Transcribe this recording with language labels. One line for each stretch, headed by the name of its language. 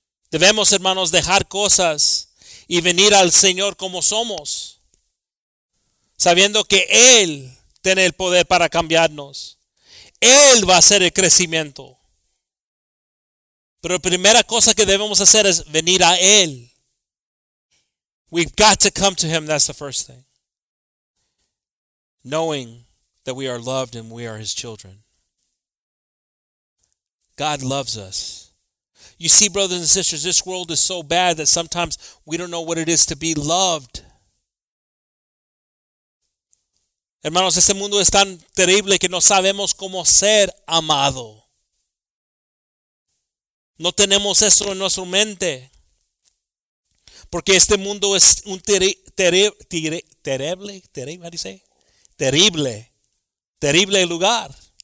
Spanish: Debemos, hermanos, dejar cosas y venir al Señor como somos, sabiendo que Él tiene el poder para cambiarnos. Él va a hacer el crecimiento. Pero la primera cosa que debemos hacer es venir a Él.
English: We've got to come to Him. That's the first thing. Knowing that we are loved and we are His children. God loves us. You see, brothers and sisters, this world is so bad that sometimes we don't know what it is to be loved.
Spanish: Hermanos, este mundo es tan terrible que no sabemos cómo ser amado. No tenemos eso en nuestra mente. Porque este mundo es un terrible lugar.